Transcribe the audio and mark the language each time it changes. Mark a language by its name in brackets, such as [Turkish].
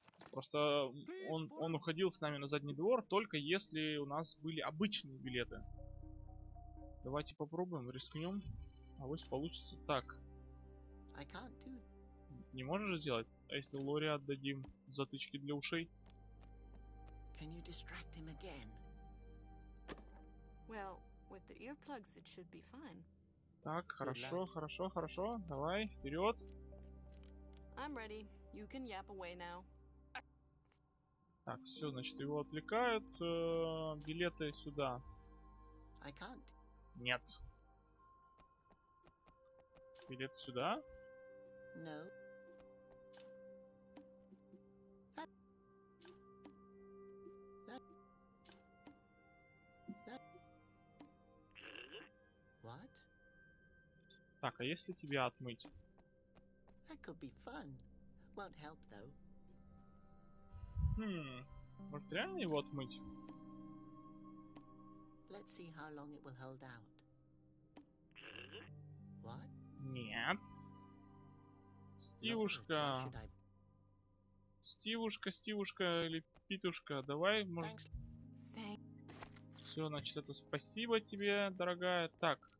[Russian] Просто он уходил с нами на задний двор, только если у нас были обычные билеты. Давайте попробуем, рискнем. А вот получится так. [English] I can't do. [Russian] Не можешь сделать? А если Лори отдадим затычки для ушей? [English] Can you distract him again? Well, with the earplugs it should be fine. [Russian] Так, хорошо, хорошо, хорошо. Давай, вперед. [English] I'm ready. You can yap away now. [Russian] Так, все, значит, его отвлекают. Билеты сюда. [English] I can't. [Russian] Нет. Билеты сюда. [English] No. What? [Russian] Так, а если тебя отмыть? [English] That could be fun. Won't help though. [Russian] Может реально его отмыть? [English] Let's see how long it will hold out. What? [Russian] Нет. Стивушка, Стивушка, Стивушка или Питушка, давай, может... Все, значит, это спасибо тебе, дорогая. Так.